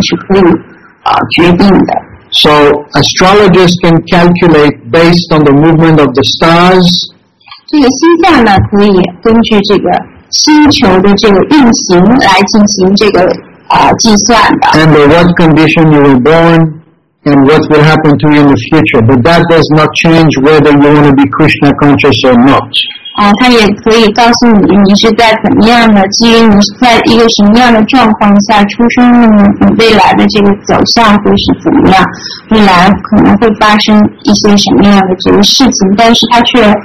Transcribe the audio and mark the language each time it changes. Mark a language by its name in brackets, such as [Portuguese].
[Chinese] 这个就好比是一个人他听那个天气预报说今天下雨，那不管怎么样，还是得下雨，不管你怎么想，你提前知道还是不知道，下雨终归是要下雨的。但是呢，至于你出门的时候到底是带上伞还是不带上伞，那你是可以决定的。 [English] So astrologers can calculate based on the movement of the stars. [Chinese] 这个星象呢，可以根据这个星球的这个运行来进行这个计算的。And [English] what condition you were born, and what will happen to you in the future, but that does not change whether you want to be Krishna conscious or not. [Chinese] 它也可以告诉你，你是在怎么样的基于你在一个什么样的状况下出生，你未来的这个走向会是怎么样，未来可能会发生一些什么样的这个事情，但是它却。